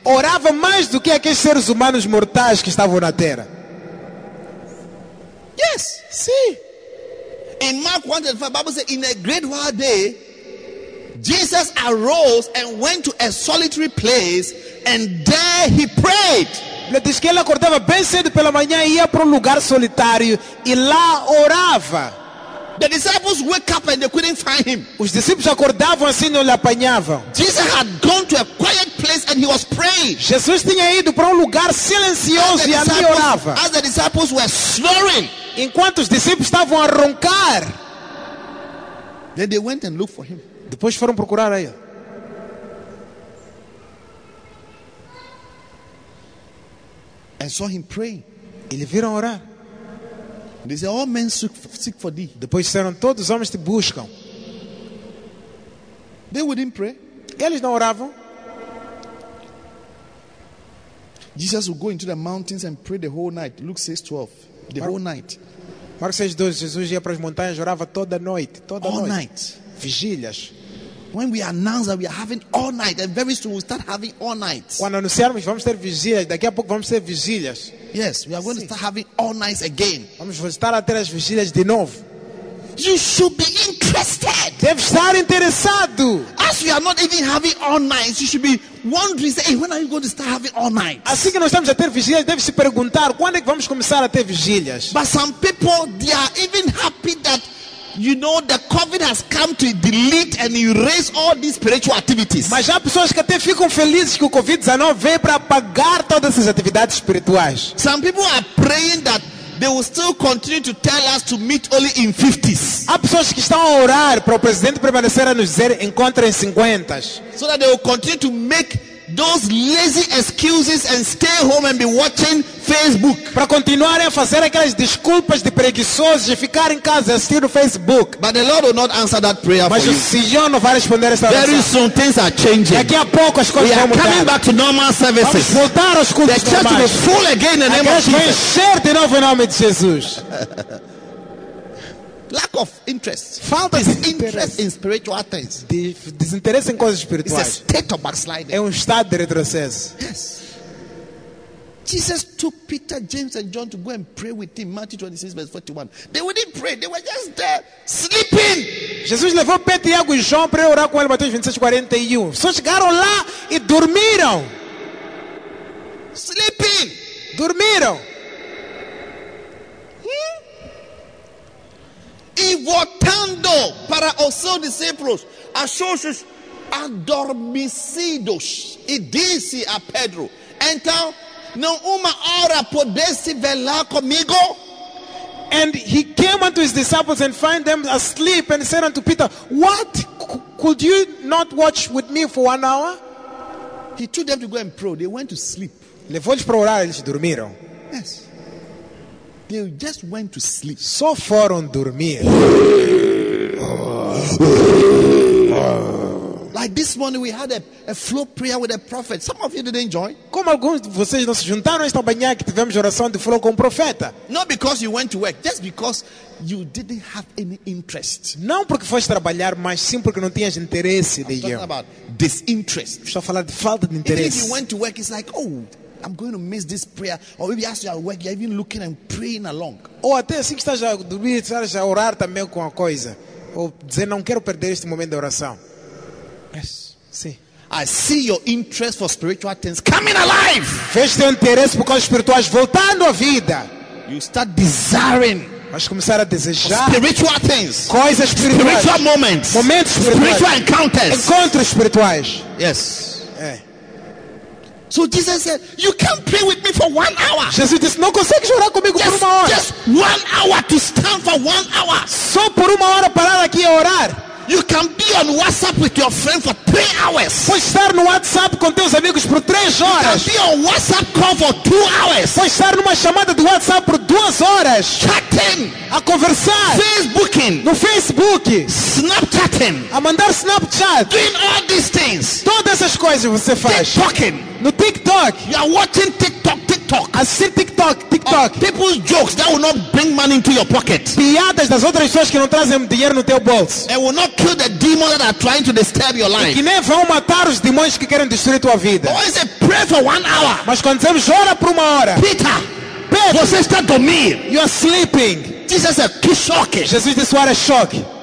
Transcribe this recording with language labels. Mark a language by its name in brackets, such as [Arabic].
[Portuguese] Orava mais do que aqueles seres humanos mortais que estavam na terra. [English] Yes. [Portuguese] Sim. [English] In Mark 1:5, the Bible says, in a great while day, Jesus arose and went to a solitary place, and there he prayed. [Portuguese] Ele diz que ele acordava bem cedo pela manhã e ia para lugar solitário e lá orava. [English] The disciples wake up and they couldn't find him. [Portuguese] Os discípulos acordavam assim, não lhe apanhavam. [English] Jesus had gone to a quiet place and he was praying. [Portuguese] Jesus tinha ido para lugar silencioso e ali orava. [English] As the disciples were snoring, [Portuguese] enquanto os discípulos estavam a roncar, [English] then they went and looked for him. [Portuguese] Depois foram procurar a ele. [English] And saw him praying. [Portuguese] E lhe viram orar. [English] They said, all men seek for thee. [Portuguese] Depois disseram, todos os homens te buscam. [English] They wouldn't pray. [Portuguese] Eles não oravam. [English] Jesus would go into the mountains and pray the whole night. Luke 6:12. The whole night. [Portuguese] Marcos 6:12, Jesus ia para as montanhas, orava toda noite, vigílias. [English] When we announce that we are having all night, and very soon we start having all night. [Portuguese] Quando anunciarmos vamos ter vigílias, daqui a pouco vamos ter vigílias. [English] Yes, we are going to start having all nights again. [Portuguese] Vamos voltar a ter as vigílias de novo. [English] You should be interested. [Portuguese] Deve estar interessado. [English] As we are not even having all nights, you should be wondering, say, hey, when are you going to start having all nights? [Portuguese] Assim que nós estamos a ter vigílias, deve se perguntar quando é que vamos começar a ter vigílias. [English] But some people, they are even happy that, you know, the COVID has come to delete and erase all these spiritual activities. [Portuguese] Mas há pessoas que até ficam felizes que o COVID-19 veio para apagar todas essas atividades espirituais. [English] Some people are praying that they will still continue to tell us to meet only in 50s. [Portuguese] Há pessoas que estão a orar para o presidente permanecer a nos dizer encontre em 50s. [English] So that they will continue to make those lazy excuses and stay home and be watching Facebook. [Portuguese] Para continuarem a fazer aquelas desculpas de preguiçosos e ficar em casa assistindo Facebook. [English] But the Lord will not answer that prayer. [Portuguese] Mas [English] for [Portuguese] o Senhor não vai responder essa oração. [English] Very soon things are changing. [Portuguese] Daqui a pouco as coisas [English] we [Portuguese] vão [English] are [Portuguese] mudar. [English] Coming back to normal services. [Portuguese] Vamos voltar aos cultos [English] the church [Portuguese] normais. [English] Will be full again in the name of Jesus. [Portuguese] Encher de novo em nome de Jesus. [English] Lack of interest. [Portuguese] Falta [English] interest in spiritual things. [Portuguese] Desinteresse em coisas espirituais. [English] It's a state of backsliding. [Portuguese] É estado de retrocesso. [English] Yes. Jesus took Peter, James and John to go and pray with him. Matthew 26 verse 41. They wouldn't pray. They were just there sleeping. [Portuguese] Jesus levou Pedro, Tiago e João para orar com ele. Matthew 26 41. Só chegaram lá e dormiram. [English] Sleeping. [Portuguese] Dormiram. E voltando para os seus discípulos, achou-os adormecidos. E disse a Pedro, então, não uma hora pudesse velar comigo? [English] And he came unto his disciples and found them asleep and said unto Peter, what, could you not watch with me for 1 hour? He took them to go and pray. They went to sleep. [Portuguese] Levou-os para orar, eles dormiram. [English] Yes. They just went to sleep. [Portuguese] Só foram dormir. [English] Like this morning we had a flow prayer with a prophet. Some of you didn't join. [Portuguese] Como alguns de vocês não se juntaram esta manhã que tivemos oração de flow com o profeta. [English] Not because you went to work, just because you didn't have any interest. [Portuguese] Não porque foste trabalhar, mas sim porque não tinhas interesse de ir. [English] I'm talking about disinterest. [Portuguese] Estou a falar de falta de interesse. [English] If you went to work, it's like, oh, I'm going to miss this prayer. Or maybe as you are working, you're even looking and praying along. [Portuguese] Ou até assim que estás a dormir, estás a orar também com a coisa. Ou dizer, não quero perder este momento de oração. [English] Yes. [Portuguese] Sim. [English] I see your interest for spiritual things coming alive. [Portuguese] Vejo teu interesse por coisas espirituais voltando à vida. [English] You start desiring. [Portuguese] Vais começar a desejar [English] spiritual things. [Portuguese] Coisas espirituais. [English] Spiritual moments. [Portuguese] Momentos espirituais. [English] Spiritual encounters. [Portuguese] Encontros espirituais. [English] Yes. [Portuguese] É. [English] So Jesus said, you can't pray with me for 1 hour. [Portuguese] Jesus disse, não consegue orar comigo por uma hora. [English] Just 1 hour to stand for 1 hour. [Portuguese] Só por uma hora parar aqui a orar. [English] You can be on WhatsApp with your friend for 3 hours. [Portuguese] Pode estar no WhatsApp com teus amigos por 3 horas. [English] You can be on WhatsApp call for 2 hours. [Portuguese] Pode estar numa chamada de WhatsApp por 2 horas. [English] Chatting. [Portuguese] A conversar. [English] Facebooking. [Portuguese] No Facebook. [English] Snapchatting. [Portuguese] A mandar Snapchat. [English] Doing all these things. [Portuguese] Todas essas coisas você faz. [English] TikToking. [Portuguese] No TikTok. [English] You are watching TikTok. TikTok. I see TikTok. TikTok. People's jokes that will not bring money into your pocket. [Portuguese] Piadas das outras pessoas que não trazem dinheiro no teu bolso. [English] It will not kill the demons that are trying to disturb your life. [Portuguese] E que nem vão matar os demônios que querem destruir tua vida. [English] Always a prayer for 1 hour. [Portuguese] Mas quando dizemos ora por uma hora. [English] Peter. [Portuguese] Pedro. Você está dormindo. [English] You are sleeping. Jesus said, [Portuguese] "Que choque." Jesus disse, [English] "What a shock."